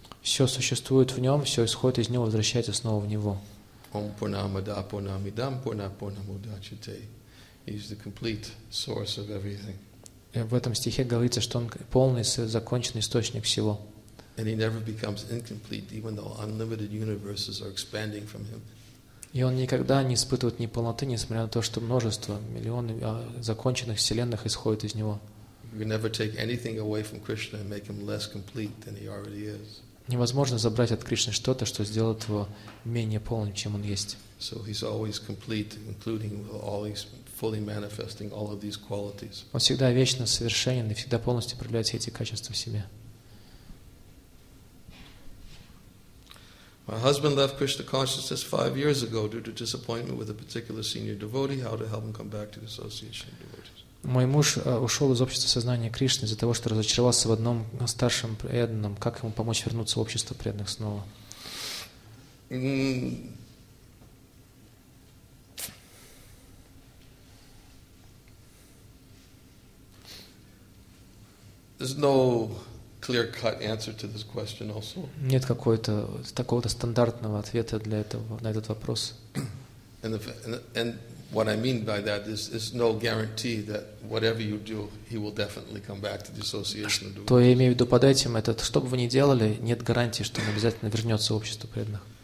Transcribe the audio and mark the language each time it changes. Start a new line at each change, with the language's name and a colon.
Russian: Все существует в нем, все исходит из него, возвращается снова в него.
Sanskrit: Om purnamada purnamidam purnapurnamudachyate.
English: He's the complete source of everything.
Russian: В этом стихе говорится, что он полный, законченный источник всего.
English: And he never becomes incomplete, even though unlimited universes are expanding from him.
Russian: И он никогда не испытывает неполноты, несмотря на то, что множество, миллионы законченных вселенных исходит из него.
English: You can never take anything away from Krishna and make him less complete than he already is.
Russian: Невозможно забрать от Кришны что-то, что сделает его менее полным, чем он есть.
English: So he's always complete, including all his fully manifesting all of these qualities.
Russian: Он всегда вечно совершенен и всегда полностью проявляет все эти качества в себе.
English: My husband left Krishna consciousness 5 years ago due to disappointment with a particular senior devotee. How to help him come back to the association of devotees?
Russian: Мой муж ушел из общества сознания Кришны из-за того, что разочаровался в одном старшем преданном. Как ему помочь вернуться в общество преданных снова?
English: There's no clear-cut answer to this question also.
Russian: Нет какого-то такого-то стандартного ответа для этого на этот вопрос.
English: And what I mean by that is no guarantee that whatever you do, he will definitely come back to the association.
Russian: То я имею в виду под этим, это что бы вы ни делали, нет гарантии, что он обязательно вернется в общество преданных.